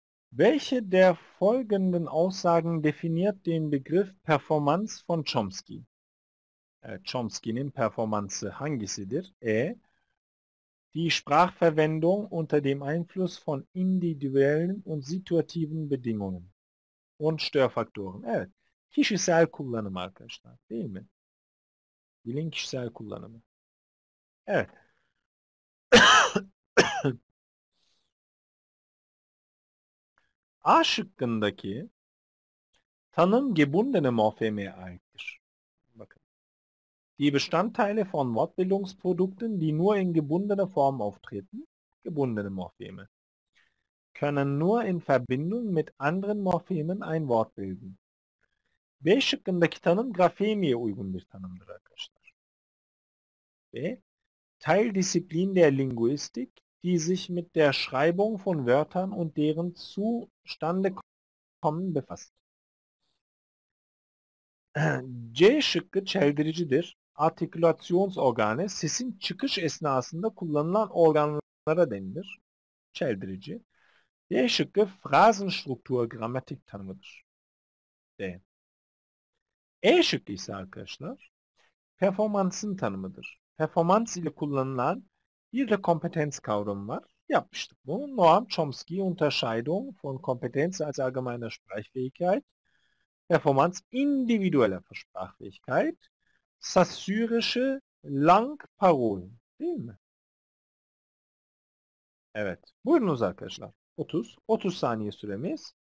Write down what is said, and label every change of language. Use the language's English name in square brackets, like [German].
[German] Welche der folgenden Aussagen definiert den Begriff Performance von Chomsky? [Turkish] Chomsky'nin performansı hangisidir? E. [German] Die Sprachverwendung unter dem Einfluss von individuellen und situativen Bedingungen und Störfaktoren. [Turkish] Evet. Kişisel kullanım arkadaşlar. Değil mi? Dilin kişisel kullanımı. Evet. A şıkkındaki tanım gebundene morfeme aittir. Bakın. [German] Die Bestandteile von Wortbildungsprodukten, die nur in gebundener Form auftreten, gebundene morfeme, können nur in Verbindung mit anderen morfemen ein Wort bilden. [Turkish] B şıkkındaki tanım grafemiye uygun bir tanımdır arkadaşlar. [German] B Teildisziplin der Linguistik, die sich mit der Schreibung von Wörtern und deren Zustande kommen befasst. [Turkish] C şıkkı çeldiricidir. Artikülasyonsorgane, sesin çıkış esnasında kullanılan organlara denilir. Çeldirici. D şıkkı Phrasenstruktur, gramatik tanımıdır. D. E şıkkı ise arkadaşlar, performansın tanımıdır. Performans ile kullanılan bir de kompetens kavramı var. Yapmıştık bunu. [German] Noam Chomsky Unterscheidung von Kompetenz als allgemeiner Sprachfähigkeit. Performans individueller Sprachfähigkeit. [Turkish] Sassyrische Langparolen. Değil mi? Evet. Buyurunuz arkadaşlar. 30. 30 saniye süremiz.